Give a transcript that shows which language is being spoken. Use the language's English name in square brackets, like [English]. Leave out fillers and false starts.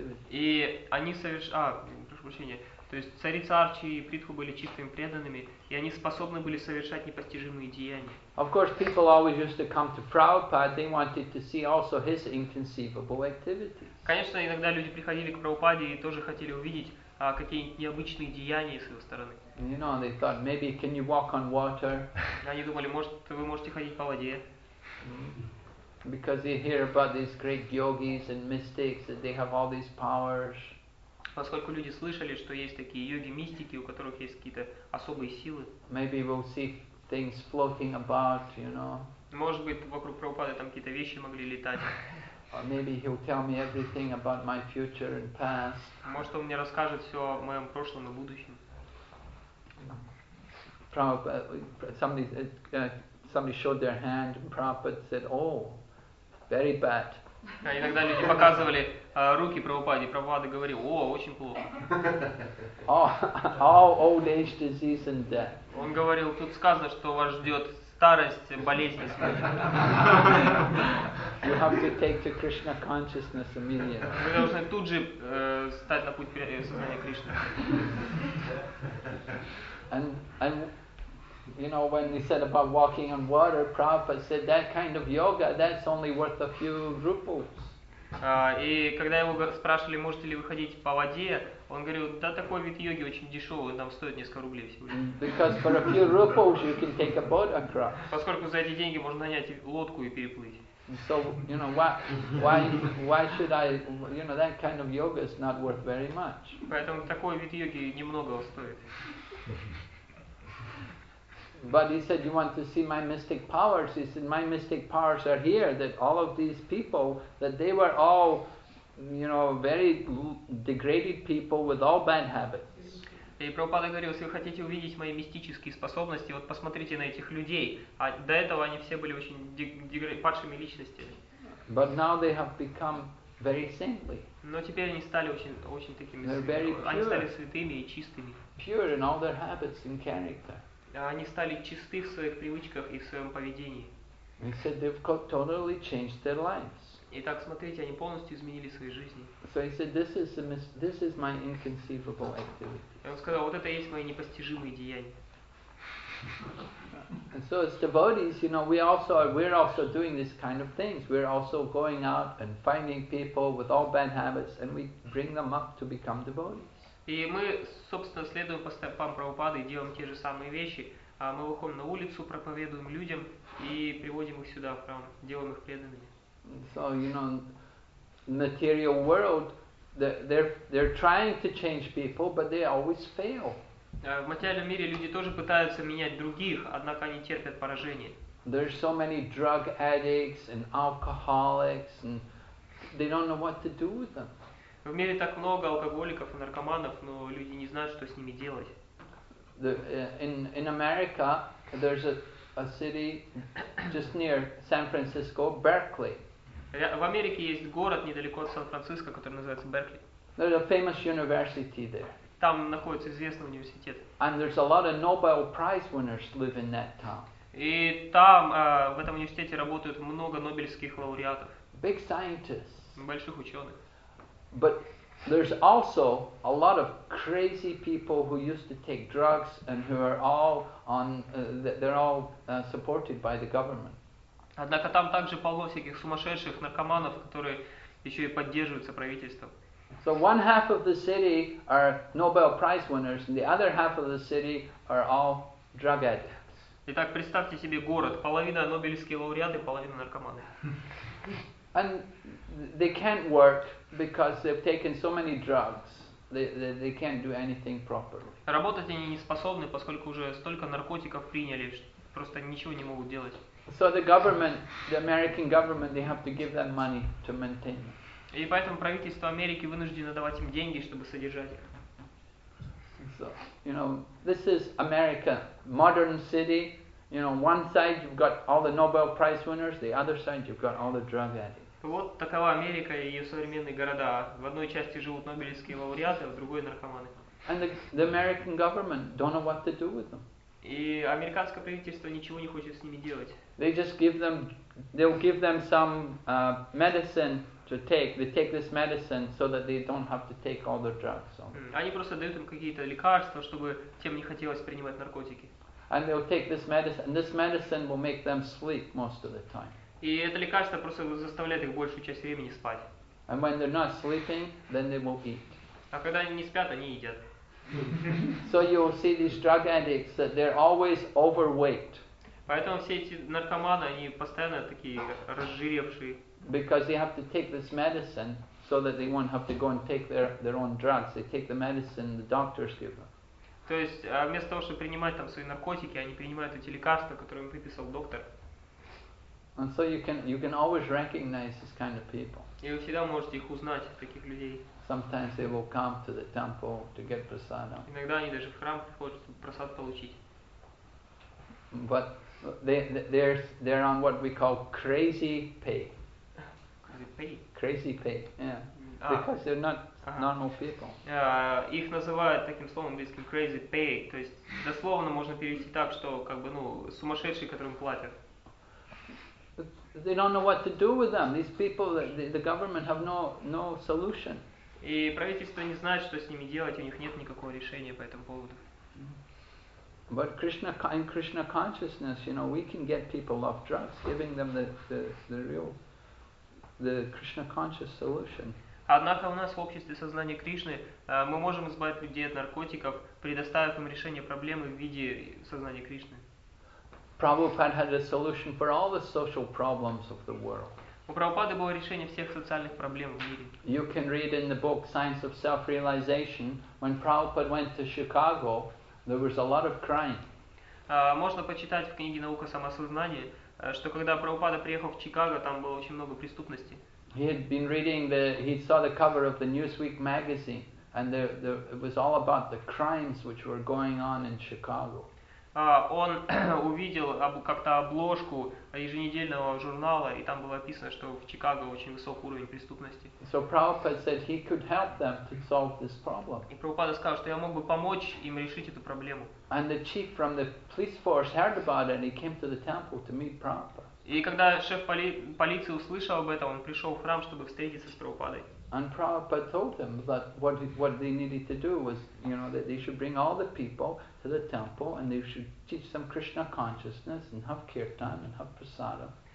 [Russian] И они То есть царица Арчи и Притху были чистыми преданными, и они способны были совершать непостижимые деяния. [English] Of course, people always used to come to Prabhupada. They wanted to see also his inconceivable activities. [Russian] Конечно, иногда люди приходили к Прабхупаде и тоже хотели увидеть какие необычные деяния с его стороны. [English] You know, they thought, maybe can you walk on water? [Russian] Они думали, может, вы можете ходить по воде? [English] Because they hear about these great yogis and mystics that they have all these powers. [Russian] Поскольку люди слышали, что есть такие йоги-мистики, у которых есть какие-то особые силы. [English] Maybe we'll see things floating about, you know. [Russian] Может быть, вокруг Прабхупады там какие-то вещи могли летать. [English] Or maybe he'll tell me everything about my future and past. [Russian] Может, он мне расскажет все о моем прошлом и будущем. [English] Somebody showed their hand, and Prabhupada said, "Oh, very bad." [Russian] Иногда люди показывали руки Прабхупаде, и Прабхупада говорил: «О, очень плохо». [English] Oh, all old age, disease and death. [Russian] Он говорил: «Тут сказано, что вас ждет старость, болезнь и смерть». [English] You have to take to Krishna consciousness immediately. [Russian] Вы должны тут же стать на путь сознания Кришны. [English] And you know, when they said about walking on water, Prabhupada said that kind of yoga, that's only worth a few rupees. [Russian] И когда его спрашивали, можете ли вы ходить по воде, он говорил, да такой вид йоги очень дешевый, там стоит несколько рублей всего лишь. [English] Because for a few rupees you can take a boat across. [Russian] Поскольку за эти деньги можно нанять лодку и переплыть. [English] So, you know, why should I, you know, that kind of yoga is not worth very much. [Russian] Поэтому такой вид йоги немного стоит. [English] But he said, "You want to see my mystic powers?" He said, "My mystic powers are here. That all of these people, that they were all, you know, very degraded people with all bad habits." [Russian] И Прабхупада говорил, если вы хотите увидеть мои мистические способности, вот посмотрите на этих людей. А до этого они все были очень падшими личностями. [English] But now they have become very saintly. [Russian] Но теперь они стали очень такими. [English] They're very pure. [Russian] Они стали святыми и чистыми. [English] Pure in all their habits and character. [Russian] Они стали чисты в своих привычках и в своем поведении. [English] He said they've totally changed their lives. [Russian] Итак, смотрите, они полностью изменили свои жизни. [English] So he said, this is my inconceivable activity. [Russian] И он сказал, вот это и есть мои непостижимые деяния. [English] And so as devotees, you know, we're also doing these kind of things. We're also going out and finding people with all bad habits, and we bring them up to become devotees. [Russian] И мы, собственно, следуем по стопам Прабхупады и делаем те же самые вещи. Мы выходим на улицу, проповедуем людям и приводим их сюда в храм, делаем их преданными. [English] So, you know, material world, they're trying to change people, but they always fail. [Russian] В материальном мире люди тоже пытаются менять других, однако они терпят поражение. [English] There's so many drug addicts and alcoholics, and they don't know what to do with them. [Russian] В мире так много алкоголиков и наркоманов, но люди не знают, что с ними делать. [English] In America, there's a city just near San Francisco, Berkeley. [Russian] В Америке есть город недалеко от Сан-Франциско, который называется Беркли. [English] There's a famous university there. [Russian] Там находится известный университет. [English] And there's a lot of Nobel Prize winners live in that town. [Russian] И там, в этом университете работают много нобелевских лауреатов. [English] big scientists. [Russian] Больших ученых. [English] But there's also a lot of crazy people who used to take drugs and who are all on, they're all supported by the government. [Russian] Однако там также полно всяких сумасшедших наркоманов, которые еще и поддерживаются правительством. [English] So one half of the city are Nobel Prize winners, and the other half of the city are all drug addicts. [Russian] Итак, представьте себе город: половина Нобелевские лауреаты, половина наркоманы. [English] And they can't work because they've taken so many drugs. They can't do anything properly. [Russian] Работать они не способны, поскольку уже столько наркотиков приняли, что просто ничего не могут делать. [English] So the government, the American government, they have to give them money to maintain. [Russian] И поэтому правительство Америки вынуждено давать им деньги, чтобы содержать их. [English] So, you know, this is America, modern city. You know, one side you've got all the Nobel Prize winners, the other side you've got all the drug addicts. [Russian] Вот такова Америка и ее современные города. В одной части живут Нобелевские лауреаты, в другой наркоманы. [English] And the American government don't know what to do with them. [Russian] И американское правительство ничего не хочет с ними делать. [English] They just give them, they'll give them some medicine to take. They take this medicine so that they don't have to take all the drugs. [Russian] Они просто дают им какие-то лекарства, чтобы тем не хотелось принимать наркотики. [English] And they'll take this medicine, and this medicine will make them sleep most of the time. [Russian] И это лекарство просто заставляет их большую часть времени спать. [English] And when they're not sleeping, then they will eat. [Russian] А когда они не спят, они едят. [English] So you'll see these drug addicts that they're always overweight. [Russian] Поэтому все эти наркоманы, они постоянно такие разжиревшие. [English] Because they have to take this medicine so that they won't have to go and take their own drugs. They take the medicine the doctors give them. [Russian] То есть вместо того, чтобы принимать там свои наркотики, они принимают эти лекарства, которые им выписал доктор. [English] And so you can always recognize this kind of people. [Russian] И вы всегда можете их узнать, таких людей. [English] Sometimes they will come to the temple to get prasada. [Russian] Иногда они даже в храм приходят, чтобы прасад получить. [English] But they're on what we call crazy pay. Crazy pay. Crazy pay. Yeah. Because they're not normal people. [Russian] Их называют таким словом английским [English] crazy pay, [Russian] то есть дословно можно перевести так, что как бы ну сумасшедшие, которым платят. [English] They don't know what to do with them. These people, the government have no solution. [Russian] И правительство не знает, что с ними делать, у них нет никакого решения по этому поводу. [English] But Krishna, in Krishna consciousness, you know, we can get people off drugs, giving them the real Krishna conscious solution. [Russian] Однако у нас в обществе сознания Кришны мы можем избавить людей от наркотиков, предоставив им решение проблемы в виде сознания Кришны. [English] Prabhupada had a solution for all the social problems of the world. [Russian] У Прабхупады было решение всех социальных проблем в мире. [English] You can read in the book Science of Self-Realization when Prabhupada went to Chicago. There was a lot of crime. [Russian] Можно почитать в книге «Наука самосознания», что когда Прабхупада приехал в Чикаго, там было очень много преступности. [English] He had been reading he saw the cover of the Newsweek magazine, and it was all about the crimes which were going on in Chicago. [Russian] Он увидел как-то обложку еженедельного журнала, и там было описано, что в Чикаго очень высокий уровень преступности. [English] So Prabhupada said he could help them to solve this problem. [Russian] И Прабхупада сказал, что я мог бы помочь им решить эту проблему. [English] And the chief from the police force heard about it and he came to the temple to meet Prabhupada. [Russian] И когда шеф полиции услышал об этом, он пришел в храм, чтобы встретиться с Прабхупадой. [English] And Prabhupada told them that what they needed to do was, you know, that they should bring all the people to the temple and they should teach them Krishna consciousness and have kirtan and have prasada.